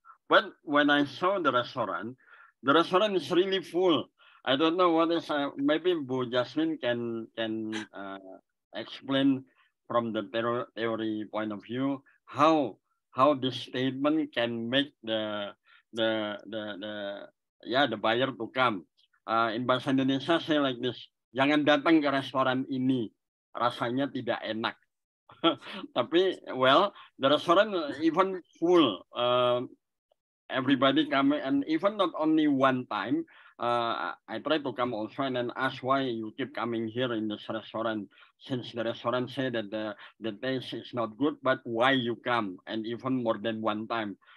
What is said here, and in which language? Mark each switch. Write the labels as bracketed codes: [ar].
[en] But when I saw the restaurant is really full. I don't know what is. Maybe Bu Jasmine can explain from the theory point of view how this statement can make the buyer to come. In bahasa Indonesia say like this. [id] Jangan datang ke restoran ini, rasanya tidak enak. [en] Tapi well, the restaurant even full, everybody come, and even not only one time. I try to come also and then ask why you keep coming here in this restaurant, since the restaurant say that the taste is not good, but why you come, and even more than one time.